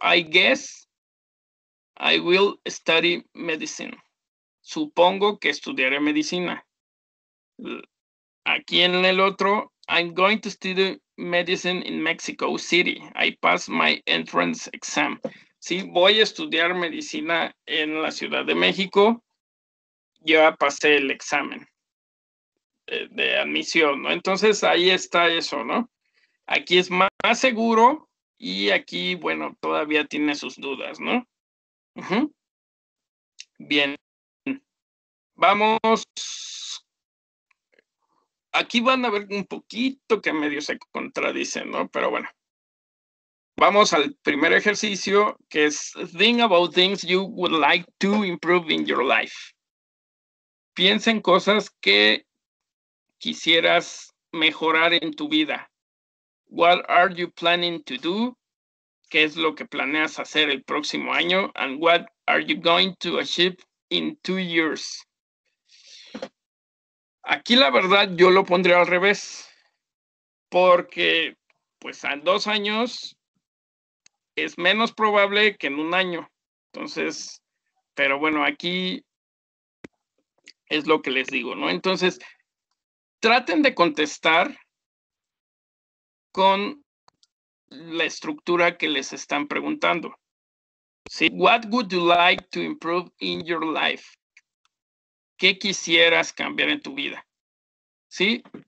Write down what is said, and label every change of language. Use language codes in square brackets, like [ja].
[en] I guess I will study medicine. [es] Supongo que estudiaré medicina. Aquí en el otro, [en] I'm going to study medicine in Mexico City. I passed my entrance exam. [es] Sí, voy a estudiar medicina en la Ciudad de México. Ya pasé el examen de admisión, ¿no? Entonces, ahí está eso, ¿no? Aquí es más seguro y aquí, bueno, todavía tiene sus dudas, ¿no? Bien. Vamos. Aquí van a ver un poquito que medio se contradicen, ¿no? Pero bueno. Vamos al primer ejercicio, que es [en] Think about things you would like to improve in your life. [es] Piensa en cosas que quisieras mejorar en tu vida. [en] What are you planning to do? [es] ¿Qué es lo que planeas hacer el próximo año? [en] And what are you going to achieve in 2 years? [es] Aquí la verdad yo lo pondría al revés. Porque pues en 2 años es menos probable que en 1 año. Entonces, pero bueno, aquí es lo que les digo, ¿no? Entonces, traten de contestar con la estructura que les están preguntando. ¿Sí? [en] What would you like to improve in your life? [es] ¿Qué quisieras cambiar en tu vida? ¿Sí?